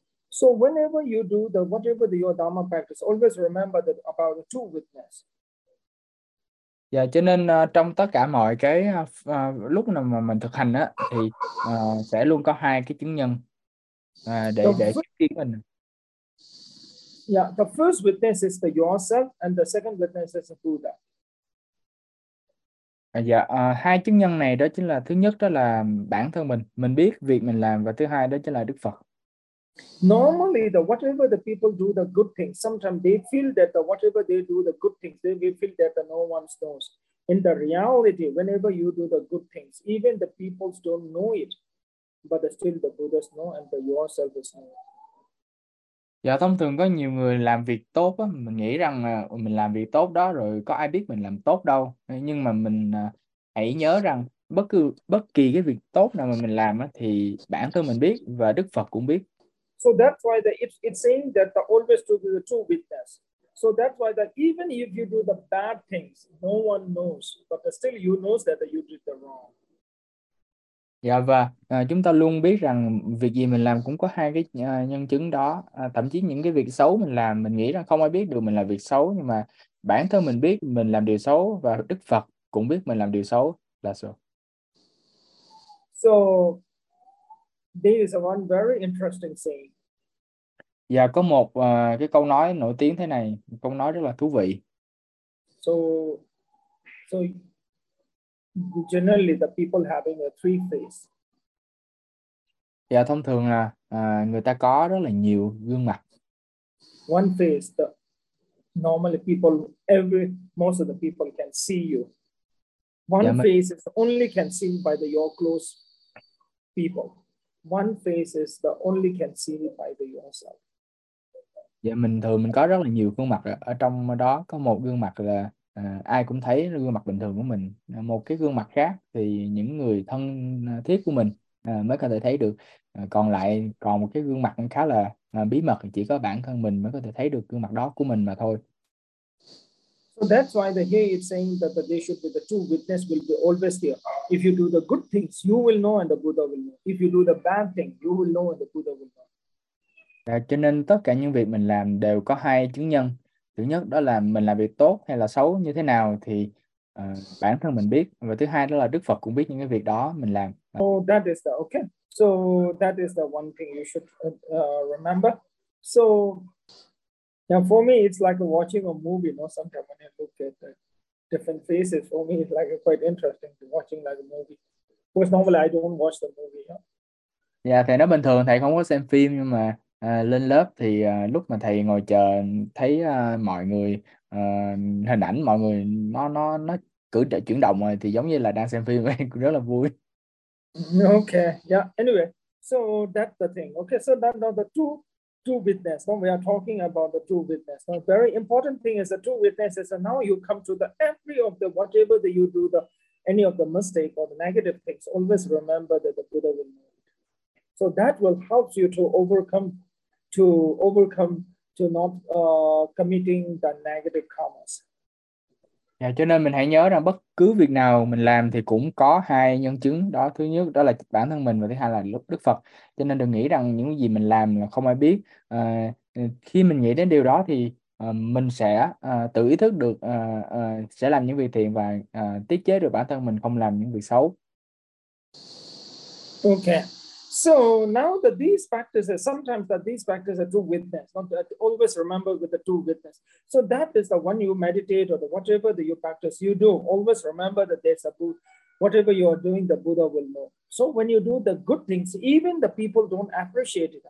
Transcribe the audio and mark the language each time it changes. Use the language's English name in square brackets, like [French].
[English] So whenever you do the whatever the your dharma practice, always remember that about the two witness. [Vietnamese] Dạ, cho nên trong tất cả mọi cái lúc nào mà mình thực hành á thì sẽ luôn có hai cái chứng nhân để chứng kiến mình. [English] Yeah, the first witness is the yourself and the second witness is the Buddha. [Vietnamese] Dạ, hai chứng nhân này đó chính là thứ nhất đó là bản thân mình biết việc mình làm, và thứ hai đó chính là Đức Phật. [English] Normally, the whatever the people do, the good things. Sometimes they feel that the whatever they do, the good things. They feel that the no one knows. In the reality, whenever you do the good things, even the people don't know it, but still the Buddhas know and the yourself is known. [Vietnamese] Dạ, thông thường có nhiều người làm việc tốt á, mình nghĩ rằng mình làm việc tốt đó rồi có ai biết mình làm tốt đâu. Nhưng mà mình hãy nhớ rằng bất kỳ cái việc tốt nào mà mình làm á, thì bản thân mình biết và Đức Phật cũng biết. [English] So that's why the it's saying that the always to be the true witness. So that's why that even if you do the bad things, no one knows, but still you knows that you did the wrong. [Vietnamese] Dạ, và chúng ta luôn biết rằng việc gì mình làm cũng có hai cái nhân chứng đó. Thậm chí những cái việc xấu mình làm, mình nghĩ rằng không ai biết được mình làm việc xấu, nhưng mà bản thân mình biết mình làm điều xấu và Đức Phật cũng biết mình làm điều xấu. Là sao? [English] So there is one very interesting saying. [Vietnamese] Dạ, có một cái câu nói nổi tiếng thế này, câu nói rất là thú vị. [English] So generally the people having a three face. [Vietnamese] Dạ, thông thường là người ta có rất là nhiều gương mặt. [English] One face, the normally people most of the people can see you. One [Vietnamese] dạ, [English] face is only can seen by the your close people. One face is the only can see by the yourself. [Vietnamese] Dạ, mình thường mình có rất là nhiều gương mặt ở trong đó, có một gương mặt là ai cũng thấy gương mặt bình thường của mình, một cái gương mặt khác thì những người thân thiết của mình mới có thể thấy được, còn lại còn một cái gương mặt khá là bí mật, chỉ có bản thân mình mới có thể thấy được gương mặt đó của mình mà thôi. [English] So that's why the here it's saying that the they should be the two witness will be always there. If you do the good things, you will know and the Buddha will know. If you do the bad thing, you will know and the Buddha will know. [Vietnamese] À, cho nên tất cả những việc mình làm đều có hai chứng nhân. Thứ nhất đó là mình làm việc tốt hay là xấu như thế nào thì bản thân mình biết. Và thứ hai đó là Đức Phật cũng biết những cái việc đó mình làm. [English] So that is the okay. So that is the one thing you should remember. So now for me it's like watching a movie, you know, sometimes when I look at the different faces, for me it's like quite interesting to watching like a movie. Because normally I don't watch the movie. Huh? [Vietnamese] Yeah, thầy nói bình thường thầy không có xem phim nhưng mà lên lớp thì lúc mà thầy ngồi chờ thấy mọi người hình ảnh mọi người nó cử trợ chuyển động rồi thì giống như là đang xem phim ấy, rất là vui. [English] Okay, yeah, anyway, so that's the thing. Okay, so that now the two witness, when we are talking about the two witness, the very important thing is the two witnesses, and now you come to the every of the whatever that you do, the any of the mistake or the negative things, always remember that the Buddha will know. So that will help you to overcome to not committing the negative karmas. [Vietnamese] Yeah, cho nên mình hãy nhớ rằng bất cứ việc nào mình làm thì cũng có hai nhân chứng đó. Thứ nhất đó là bản thân mình và thứ hai là Đức Phật. Cho nên đừng nghĩ rằng những gì mình làm là không ai biết. Khi mình nghĩ đến điều đó thì mình sẽ tự ý thức được sẽ làm những việc thiện và tiết chế được bản thân mình không làm những việc xấu. [English] Okay. So now that these practices, sometimes that these practices are two witness, not that always remember with the two witness. So that is the one you meditate or the whatever that you practice, you do. Always remember that there's a Buddha. Whatever you are doing, the Buddha will know. So when you do the good things, even the people don't appreciate it.